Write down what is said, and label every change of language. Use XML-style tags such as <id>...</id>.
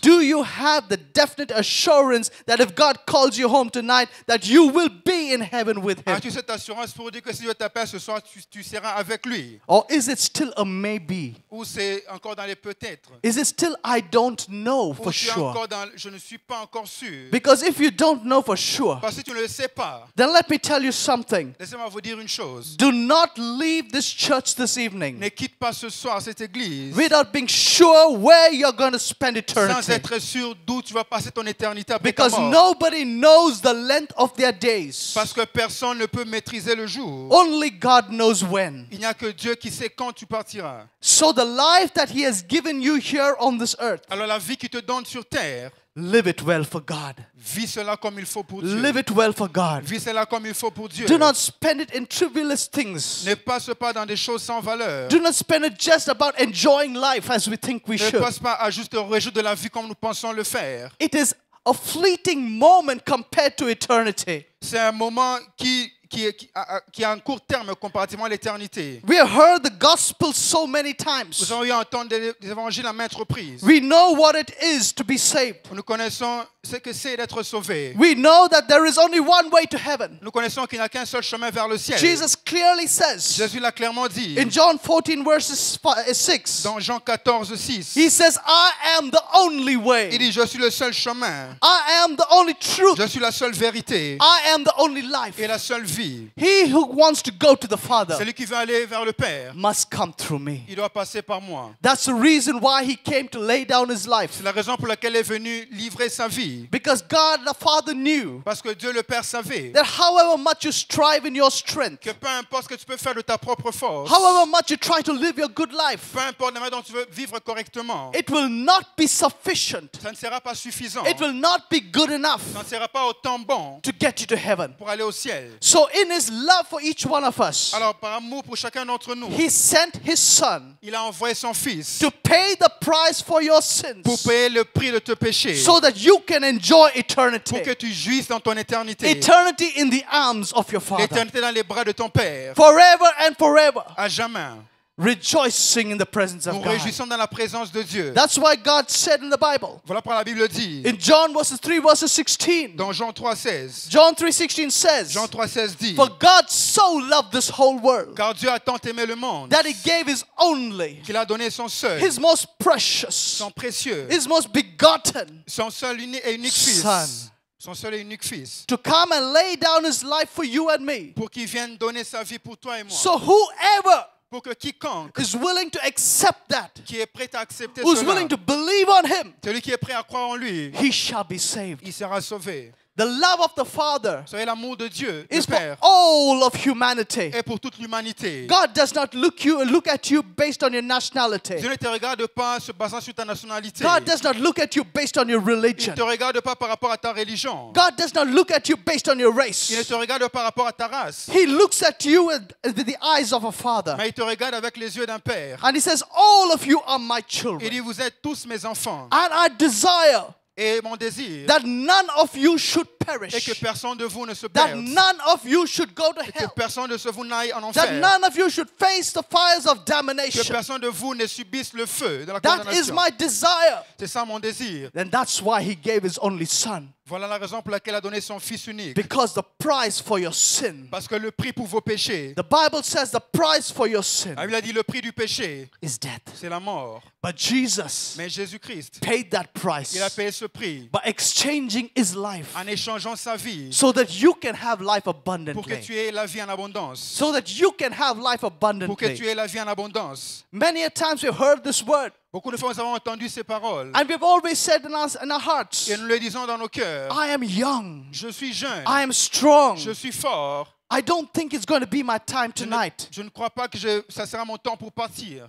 <en>Do you have the definite assurance that if God calls you home tonight, that you will be in heaven with Him?</en> <fr>As-tu cette assurance pour dire que si Dieu t'appelle ce soir, tu seras avec lui?</fr> <en>Or is it still a maybe?</en> <fr>Ou c'est encore dans les peut-être?</fr> <en>Is it still I don't know for sure?</en> <fr>Encore dans, je ne suis pas encore sûr.</fr> <en>Because if you don't know for sure,</en> <fr>parce que tu ne le sais pas,</fr> <en>then let me tell you something.</en> <fr>Laissez-moi vous dire une chose.</fr> <en>Do not leave this church this evening.</en> <fr>Ne quitte pas ce soir cette église.</fr> <en>Without being sure where you're going to spend eternity.</en> <fr>Sans être sûr d'où tu vas passer ton éternité après.</fr> <en>Because nobody knows the length of their days.</en> <fr>Parce que personne ne peut maîtriser le jour.</fr> <en>Only God knows when.</en> <fr>Il n'y a que Dieu qui sait quand tu partiras.</fr> <en>So the life that He has given you here on this earth.</en> <fr>Alors la vie qu'il te donne sur terre.</fr> <en>Live it well for God.</en> <fr>Vis cela comme il faut pour Dieu.</fr> <en>Live it well for God.</en> <fr>Vis cela comme il faut pour Dieu.</fr> <en>Do not spend it in trivialist things.</en> <fr>Ne passe pas dans des choses sans valeur.</fr> <en>Do not spend it just about enjoying life as we think we should.</en> <fr>Ne passe pas à juste réjouir de la vie comme nous pensons le faire.</fr> <en>It is a fleeting moment compared to eternity.</en> <fr>C'est un moment qui est en court terme comparativement à l'éternité.</fr> <en>We have heard the gospel so many times.</en> <fr>Nous avons entendu des évangiles à maintes reprises.</fr> <en>We know what it is to be saved.</en> <fr>Nous connaissons ce que c'est d'être sauvé.</fr> <en>We know that there is only one way to heaven.</en> <fr>Nous connaissons qu'il n'y a qu'un seul chemin vers le ciel.</fr> <en>Jesus clearly says.</en> <fr>Jésus l'a clairement dit.</fr> <en>In John 14 verses 6.</en> <fr>Dans Jean 14 6.</fr> <en>He says, I am the only way.</en> <fr>Il dit, je suis le seul chemin.</fr> <en>I am the only truth.</en> <fr>Je suis la seule vérité.</fr> <en>I am the only life.</en> <fr>Et la seule vie.</fr> <en>He who wants to go to the Father,</en> <fr>celui qui veut aller vers le Père,</fr> <en>must come through me.</en> <fr>Il doit passer par moi.</fr> <en>That's the reason why he came to lay down his life.</en> <fr>C'est la raison pour laquelle il est venu livrer sa vie.</fr> <en>Because God the Father knew,</en> <fr>parce que Dieu le Père savait,</fr> <en>that however much you strive in your strength,</en> <fr>que peu importe ce que tu peux faire de ta propre force,</fr> <en>however much you try to live your good life,</en> <fr>peu importe la manière dont tu veux vivre correctement,</fr> <en>it will not be sufficient.</en> <fr>Ça ne sera pas suffisant.</fr> <en>It will not be good enough.</en> <fr>Ça ne sera pas autant bon.</fr> <en>To get you to heaven.</en> <fr>Pour aller au ciel.</fr> <en>So in his love for each one of us.</en> <fr>Alors, par amour pour chacun d'entre nous,</fr> <en>he sent his son.</en> <fr>Il a envoyé son fils.</fr> <en>To pay the price for your sins.</en> <fr>Pour payer le prix de tes péchés.</fr> <en>So that you can enjoy eternity.</en> <fr>Pour que tu jouisses dans ton éternité.</fr> <en>Eternity in the arms of your father.</en> <fr>L'éternité dans les bras de ton père.</fr> <en>Forever and forever.</en> <fr>À jamais.</fr> <en>Rejoicing in the presence of</en> <fr>nous</fr> <en>God.</en> <fr>Nous réjouissons dans la présence de Dieu.</fr> <en>That's why God said in the Bible.</en> <fr>Voilà pourquoi la Bible dit.</fr> <en>In John verses 3 verses 16.</en> <fr>Dans Jean 3 16.</fr> <en>John 3 16 says.</en> <fr>Jean 3 16 dit.</fr> <en>For God so loved this whole world.</en> <fr>Car Dieu a tant aimé le monde.</fr> <en>That he gave his only.</en> <fr>Qu'il a donné son seul.</fr> <en>His most precious.</en> <fr>Son précieux.</fr> <en>His most begotten.</en> <fr>Son seul et unique fils.</fr> <en>Son.</en> <fr>Son seul et unique fils.</fr> <en>To come and lay down his life for you and me.</en> <fr>Pour qu'il vienne donner sa vie pour toi et moi.</fr> <en>So whoever.</en> <fr>Pour que quiconque</fr> <en>is willing to accept that,</en> <fr>qui est prêt à accepter</fr> <en>who's</en> <fr>cela,</fr> <en>willing to believe on him,</en> <fr>celui qui est prêt à croire en lui,</fr> <en>he shall be saved.</en> <fr>Il sera sauvé.</fr> <en>The love of the Father</en> <fr>soyez l'amour de Dieu,</fr> <en>is</en> <fr>le Père,</fr> <en>for all of humanity.</en> <fr>Et pour toute l'humanité.</fr> <en>God does not look at you based on your nationality.</en> <fr>Dieu ne te regarde pas se basant sur ta nationalité.</fr> <en>God does not look at you based on your religion.</en> <fr>Il ne te regarde pas par rapport à ta religion.</fr> <en>God does not look at you based on your race.</en> <fr>Il ne te regarde pas par rapport à ta race.</fr> <en>He looks at you with the eyes of a father.</en> <fr>Mais il te regarde avec les yeux d'un père.</fr> <en>And he says, all of you are my children.</en> <fr>Il dit, vous êtes tous mes enfants.</fr> <en>And I desire.</en> <fr>Et mon désir,</fr> <en>that none of you should perish.</en> <fr>Et que personne de vous ne se perde.</fr> <en>That none of you should go to hell.</en> <fr>Et que personne de vous n'aille en enfer.</fr> <en>That none of you should face the fires of damnation.</en> <fr>Que personne de vous ne subisse le feu de la condamnation.</fr> <en>That is my desire.</en> <fr>C'est ça mon désir.</fr> <en>Then that's why he gave his only son.</en> <fr>Voilà la raison pour laquelle il a donné son fils unique.</fr> <en>Because the price for your sin.</en> <fr>Parce que le prix pour vos péchés.</fr> <en>The Bible says the price for your sin.</en> <fr>La Bible dit le prix du péché.</fr> <en>Is death.</en> <fr>C'est la mort.</fr> <en>But Jesus.</en> <fr>Mais Jésus-Christ.</fr> <en>Paid that price.</en> <fr>Il a payé ce prix.</fr> <en>By exchanging his life.</en> <fr>En échangeant sa vie.</fr> <en>So that you can have life abundantly.</en> <fr>Pour que tu aies la vie en abondance.</fr> <en>So that you can have life abundantly.</en> <fr>Pour que tu aies la vie en abondance.</fr> <en>Many a times we've heard this word.</en> <fr>Beaucoup de fois, nous avons entendu ces paroles.</fr> <en>And we've always said in our hearts.</en> <fr>Et nous le disons dans nos cœurs.</fr> <en>I am young.</en> <fr>Je suis jeune.</fr> <en>I am strong.</en> <fr>Je suis fort.</fr> <en>I don't think it's going to be my time tonight.</en> <fr>Je ne crois pas que ça sera mon temps pour partir.</fr>